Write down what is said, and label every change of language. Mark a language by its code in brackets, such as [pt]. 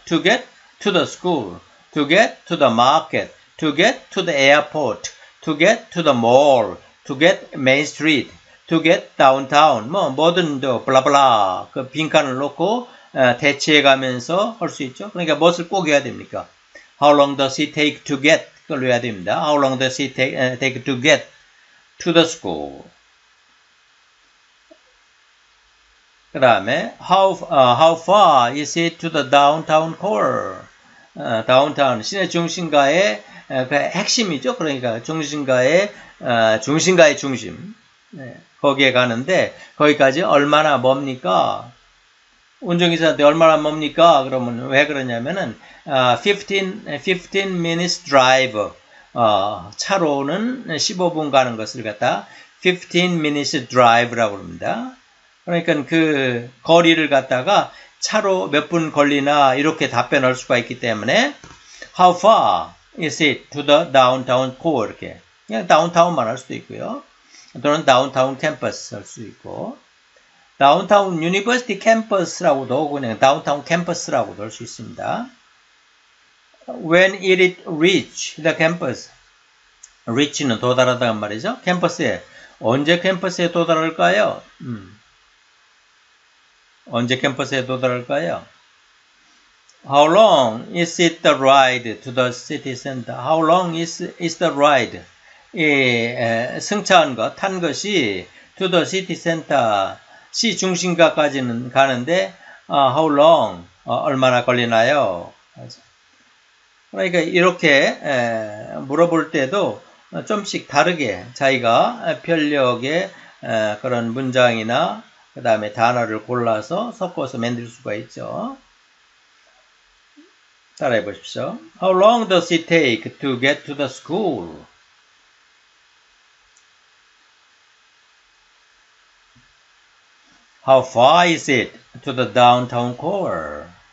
[en] To get to the school. To get to the market. To get to the airport. To get to the mall. To get Main Street, to get downtown, [ko] 뭐 뭐든 블라블라 그 빈칸을 놓고 대체해가면서 할수 있죠. 그러니까 무엇을 꼭 해야 됩니까? [en] How long does it take to get? [ko] 그걸로 해야 됩니다. [en] How long does it take to get to the school? [ko] 그다음에 [en] how far is it to the downtown core? [ko] Downtown 시내 중심가에 그 핵심이죠. 그러니까 중심가의 중심. 네. 거기에 가는데 거기까지 얼마나 멉니까? 운전기사한테 얼마나 멉니까? 그러면 왜 그러냐면은 [en] 15 minutes drive. [ko] 차로는 15분 가는 것을 갖다 [en] 15 minutes drive [ko] 라고 합니다. 그러니까 그 거리를 갖다가 차로 몇분 걸리나 이렇게 답변할 수가 있기 때문에 [en] how far is it to the downtown core [ko] 이렇게 그냥 다운타운만 할 수도 있고요. 또는 다운타운 캠퍼스 할수 있고. 다운타운 유니버시티 캠퍼스라고도 그냥 다운타운 캠퍼스라고도 할수 있습니다. [en] When it reach the campus. reach는 [ko] 도달하다는 말이죠. 캠퍼스에 언제 캠퍼스에 도달할까요? 언제 캠퍼스에 도달할까요? [en] How long is it the ride to the city center? How long is the ride? [ko] 승차한 것, 탄 것이 [en] to the city center, [ko] 시 중심가까지는 가는데 [en] how long, [ko] 얼마나 걸리나요? 그러니까 이렇게 물어볼 때도 좀씩 다르게 자기가 편리하게 그런 문장이나 그 다음에 단어를 골라서 섞어서 만들 수가 있죠. 따라해 보십시오. [en] How long does it take to get to the school? How far is it to the downtown core?